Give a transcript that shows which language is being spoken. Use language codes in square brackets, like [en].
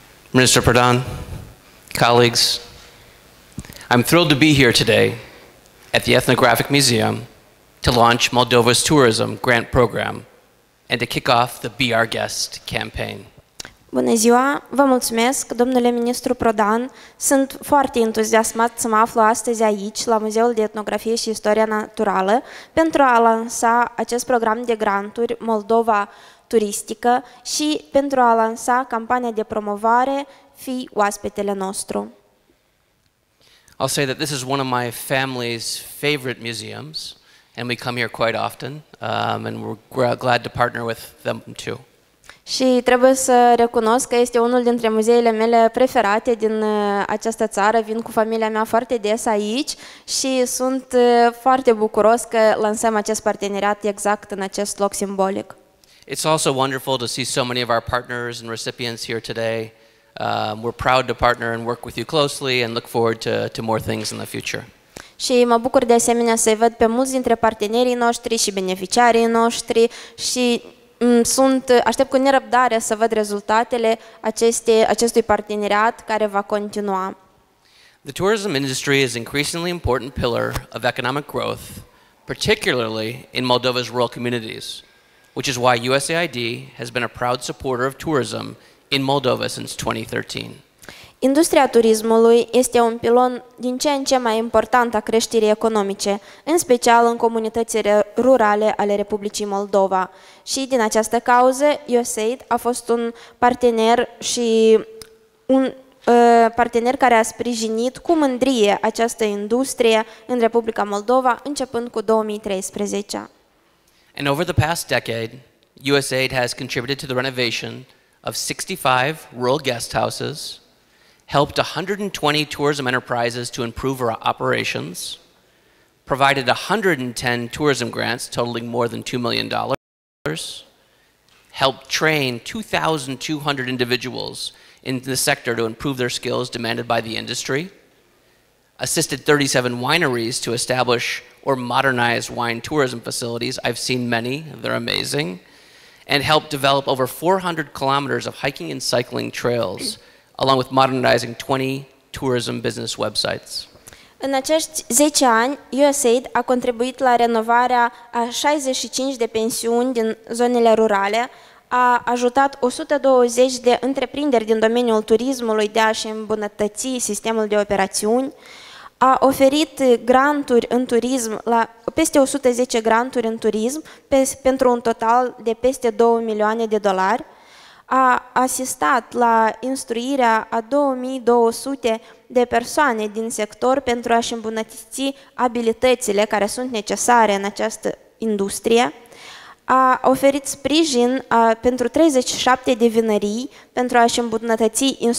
[en] Minister Perdan, colleagues, I'm thrilled to be here today at the Ethnographic Museum to launch Moldova's tourism grant program and to kick off the Be Our Guest campaign. [ro] Bună ziua, vă mulțumesc, domnule ministru Prodan. Sunt foarte entuziasmat să mă aflu astăzi aici, la Muzeul de Etnografie și Istoria Naturală, pentru a lansa acest program de granturi Moldova Turistică și pentru a lansa campania de promovare Fii Oaspetele Nostru. [en] I'll say that this is one of my family's favorite museums, and we come here quite often. And we're glad to partner with them too. [ro] Și trebuie să recunosc că este unul dintre muzeele mele preferate din această țară. Vin cu familia mea foarte des aici și sunt foarte bucuros că lansăm acest parteneriat exact în acest loc simbolic. [en] It's also wonderful to see so many of our partners and recipients here today. We're proud to partner and work with you closely and look forward to more things in the future. [ro] Și mă bucur de asemenea să-i văd pe mulți dintre partenerii noștri și beneficiarii noștri și aștept cu nerăbdare să văd rezultatele acestui parteneriat care va continua. [en] The tourism industry is an increasingly important pillar of economic growth, particularly in Moldova's rural communities, which is why USAID has been a proud supporter of tourism in Moldova since 2013. [ro] Industria turismului este un pilon din ce în ce mai important a creșterii economice, în special în comunitățile rurale ale Republicii Moldova. Și din această cauză, USAID a fost un partener și un partener care a sprijinit cu mândrie această industrie în Republica Moldova începând cu 2013. [en] And over the past decade, USAID has contributed to the renovation of 65 rural guest houses, helped 120 tourism enterprises to improve our operations, provided 110 tourism grants totaling more than $2 million, helped train 2,200 individuals in the sector to improve their skills demanded by the industry, assisted 37 wineries to establish or modernize wine tourism facilities. I've seen many, they're amazing, and helped develop over 400 kilometers of hiking and cycling trails, along with modernizing 20 tourism business websites. [ro] În acești 10 ani, USAID a contribuit la renovarea a 65 de pensiuni din zonele rurale, a ajutat 120 de întreprinderi din domeniul turismului de a-și îmbunătăți sistemul de operațiuni, a oferit granturi în turism, la peste 110 granturi în turism, pentru un total de peste 2 milioane de dolari, a asistat la instruirea a 2200 de persoane din sector pentru a-și îmbunătăți abilitățile care sunt necesare în această industrie, a oferit sprijin pentru 37 de vinării pentru a-și îmbunătăți